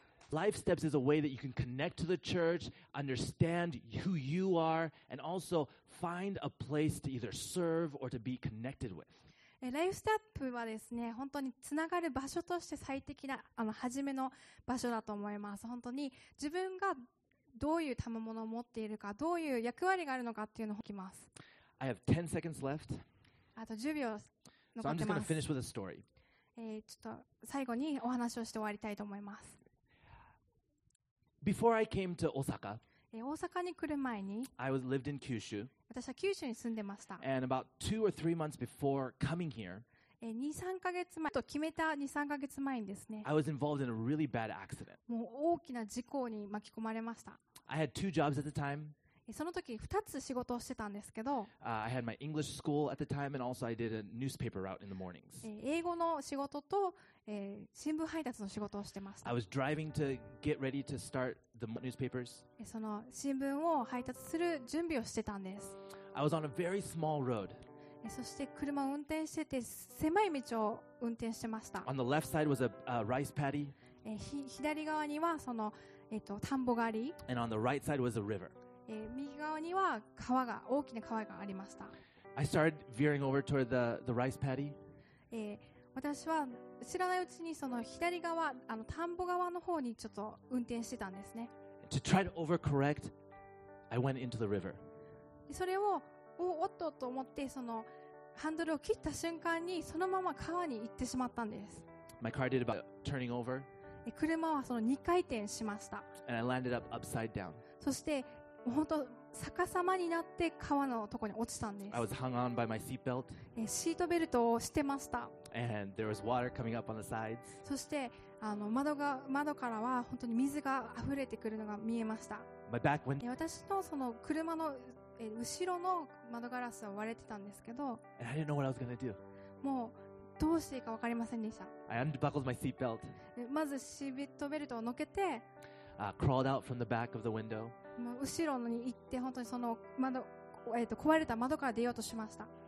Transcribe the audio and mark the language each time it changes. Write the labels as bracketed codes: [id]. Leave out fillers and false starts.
[en] Life steps is a way that you can connect to the church, understand who you are, and also find a place to either serve or to be connected with. [ja] ライフステップはですね、本当につながる場所として最適な初めの場所だと思います。本当に自分がどういう賜物を持っているか、どういう役割があるのかっていうのを聞きます。 [en] I have 10 seconds left. [ja] あと10秒残ってます。 [en] So I'm just going to finish with a story. [ja] ちょっと最後にお話をして終わりたいと思います。 [en] Before I came to Osaka, [ja] 大阪に来る前に、 [en] I was lived in Kyushu. [ja] 私は九州に住んでました。 [en] And about two or three months before coming here, [ja] 2-3ヶ月前にですね、 [en] I was involved in a really bad accident. [ja] もう大きな事故に巻き込まれました。 [en] I had two jobs at the time. [ja] その時2つ仕事をしてたんですけど、 [en] I had my English school at the time, and also I did a newspaper route in the mornings. [ja] 英語の仕事と、新聞配達の仕事をしてました。 [en] I was driving to get ready to start the newspapers. [ja] その新聞を配達する準備をしてたんです。 [en] I was on a very small road. [ja] そして車を運転してて狭い道を運転してました。 [en] On the left side was a rice paddy. [ja] 左側にはその田んぼがあり。 [en] And on the right side was a river. [ja] 右側には川が大きな川がありました。 [en] I started veering over toward the rice paddy. [ja] 私は知らないうちにその左側田んぼ側の方にちょっと運転してたんですね。 [en] To try to overcorrect, I went into the river. [ja] それをおっとと思ってそのハンドルを切った瞬間にそのまま川に行ってしまったんです。 [en] My car did about turning over. [ja] 車はその2回転しました。 [en] And I landed up upside down. [ja] そして本当逆さまになって川のとこに落ちたんです [en] 。I was hung on by my seat belt. [ja] シートベルトをしてました。 [en] And there was water coming up on the sides. [ja] そしてあの 窓からは本当に水が溢れてくるのが見えました。 [en] My back went. [ja] 私のその車の後ろの窓ガラスは割れてたんですけど。 [en] And I didn't know what I was going to do. [ja] もうどうしていいか分かりませんでした。 [en] I unbuckled my seat belt. [ja] まずシートベルトをのけて。 [en] Crawled out from the back of the window. [ja] 後ろに行って本当にその窓、壊れた窓から出ようとしました。